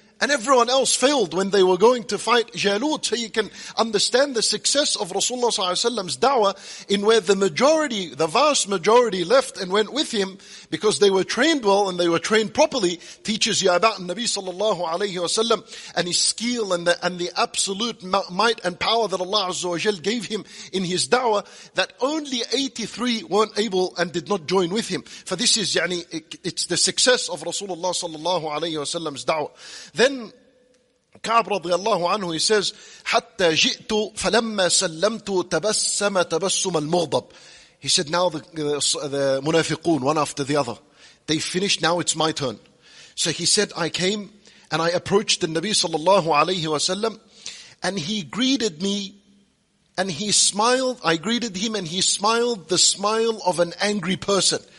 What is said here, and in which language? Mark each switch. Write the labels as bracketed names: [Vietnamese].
[English] And everyone else failed when they were going to fight Jalut. So you can understand the success of Rasulullah Sallallahu Alaihi Wasallam's da'wah, in where the majority, the vast majority left and went with him because they were trained well and they were trained properly, teaches you about Nabi Sallallahu Alaihi Wasallam and his skill and the absolute might and power that Allah Azza wa Jal gave him in his da'wah, that only 83 weren't able and did not join with him. For this is, it's the success of Rasulullah Sallallahu Alaihi Wasallam's da'wah. Then Ka'b radiallahu anhu, he says, [Arabic] حتى جئت فلما سلمت تبسم تبسم المغضب. [English] He said, now the munafiqoon, one after the other, they finished, now it's my turn. So he said, I came and I approached the Nabi sallallahu alayhi wa sallam, and he greeted me and he smiled. I greeted him and he smiled the smile of an angry person.